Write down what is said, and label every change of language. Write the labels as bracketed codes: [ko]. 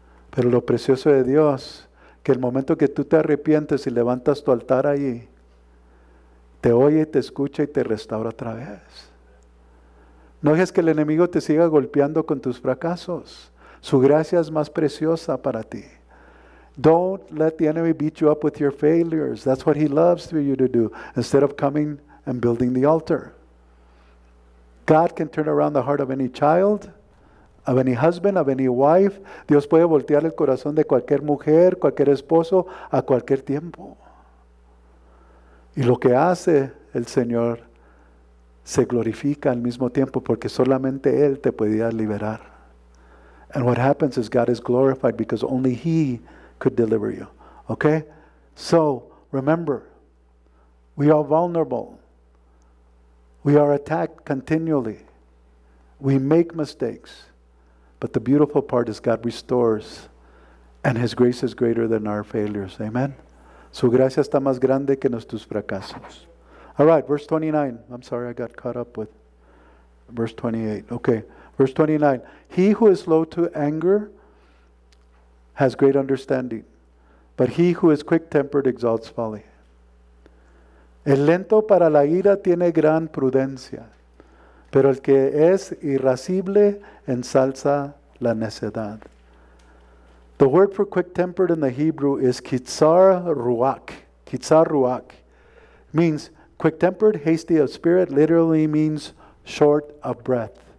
[es] Pero lo precioso de Dios, que el momento que tú te arrepientes y levantas tu altar ahí, te oye, te escucha y te restaura otra vez. No dejes que el enemigo te siga golpeando con tus fracasos. Su gracia es más preciosa para ti. [en] Don't let the enemy beat you up with your failures. That's what he loves for you to do, instead of coming and building the altar. God can turn around the heart of any child, of any husband, of any wife. [es] Dios puede voltear el corazón de cualquier mujer, cualquier esposo, a cualquier tiempo. Y lo que hace el Señor se glorifica al mismo tiempo, porque solamente Él te podía liberar. [en] And what happens is God is glorified because only He could deliver you. Okay? So, remember, we are vulnerable. We are attacked continually. We make mistakes. But the beautiful part is God restores, and His grace is greater than our failures. Amen? [es] Su gracia está más grande que nuestros fracasos. [en] All right, verse 29. I'm sorry, I got caught up with verse 28. Okay, verse 29. He who is slow to anger has great understanding, but he who is quick-tempered exalts folly. [es] El lento para la ira tiene gran prudencia, pero el que es irascible ensalza la necedad. [en] The word for quick-tempered in the Hebrew is kitzar ruach. Kitzar ruach means quick-tempered, hasty of spirit, literally means short of breath.